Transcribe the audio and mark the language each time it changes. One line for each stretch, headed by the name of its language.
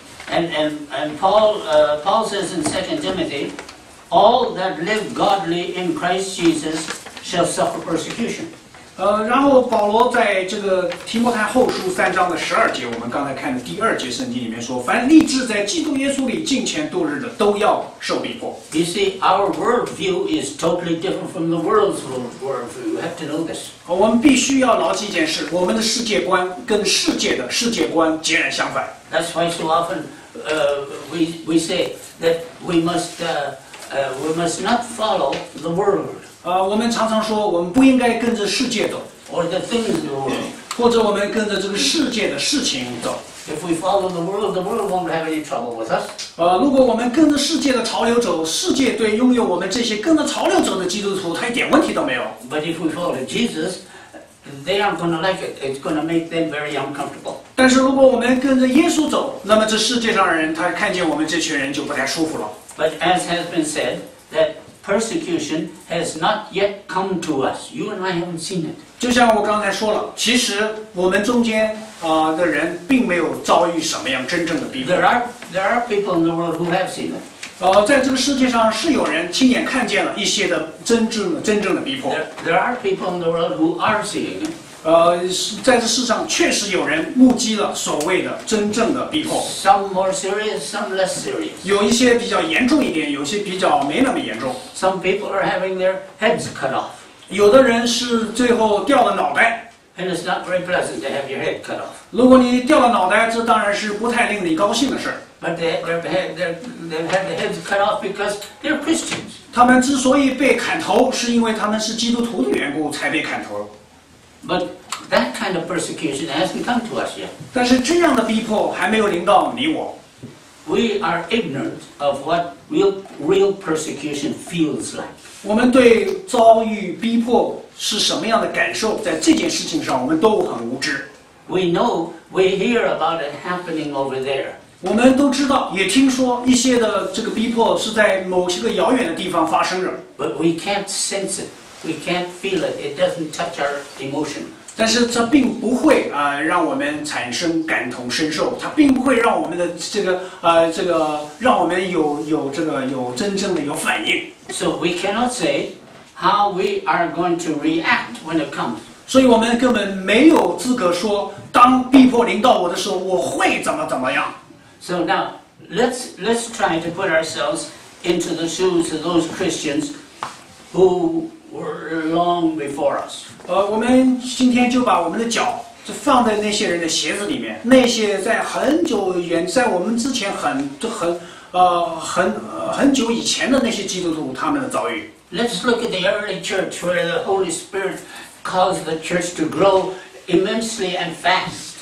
English: And Paul says in 2 Timothy, all that live godly in Christ Jesus shall suffer persecution.
Chinese: 然后保罗在这个提摩太后书三章的十二节，我们刚才看的第二节圣经里面说，凡立志在基督耶稣里敬虔度日的，都要受逼迫。
English: You see, our worldview is totally different from the world's worldview. You have to know this.
Chinese: 我们必须要牢记一件事，我们的世界观跟世界的世界观截然相反。
English: That's why so often we say that we must not follow the world.
Chinese: 我们常常说我们不应该跟着世界走
English: or the things of the world,
Chinese: 或或者我们跟着这个世界的事情走。
English: If we follow the world won't have any trouble with us.
Chinese: 如果我们跟着世界的潮流走，世界对拥有我们这些跟着潮流走的基督徒，他一点问题都没有。
English: But if we follow Jesus, they aren't going to like it. It's going to make them very uncomfortable.
Chinese: 但是如果我们跟着耶稣走，那么这世界上的人他看见我们这群人就不太舒服了。
English: But as has been said, that persecution has not yet come to us. You and I haven't seen it.
Chinese: 就像我刚才说了，其实我们中间。的人并没有遭遇什么样真正的逼迫。
English: There are people in the world who have seen it.
Chinese: 在这个世界上是有人亲眼看见了一些的真正的逼迫。
English: There are people in the world who are seeing it.
Chinese: 在这世上确实有人目击了所谓的真正的逼迫。
English: Some more serious, some less serious.
Chinese: 有一些比较严重一点，有些比较没那么严重。
English: Some people are having their heads cut off.
Chinese: 有的人是最后掉了脑袋。
English: And it's not very pleasant to have your head cut off.
Chinese: 如果你掉了脑袋，这当然是不太令你高兴的事。
English: But they've had their heads cut off because they're Christians.
Chinese: 他们之所以被砍头，是因为他们是基督徒的缘故才被砍头。
English: But that kind of persecution hasn't come to us yet.
Chinese: 但是这样的逼迫还没有临到你我。
English: We are ignorant of what real persecution feels like.
Chinese: 我们对遭遇逼迫。是什么样的感受？在这件事情上，我们都很无知。
English: We know, we hear about it happening over there.
Chinese: 我们都知道，也听说一些的这个逼迫是在某些个遥远的地方发生着。
English: But we can't sense it, we can't feel it. It doesn't touch our emotion.
Chinese: 但是这并不会让我们产生感同身受，它并不会让我们的这个让我们有真正的有反应。
English: So we cannot say. How we are going to react when it comes.
Chinese: 所以我们根本没有资格说，当逼迫临到我的时候，我会怎么样。
English: So now, let's try to put ourselves into the shoes of those Christians who were long before us.
Chinese: 我们今天就把我们的脚就放在那些人的鞋子里面，那些在很久远，在我们之前很久以前的那些基督徒，他们的遭遇。
English: Let's look at the early church where the Holy Spirit caused the church to grow immensely and fast.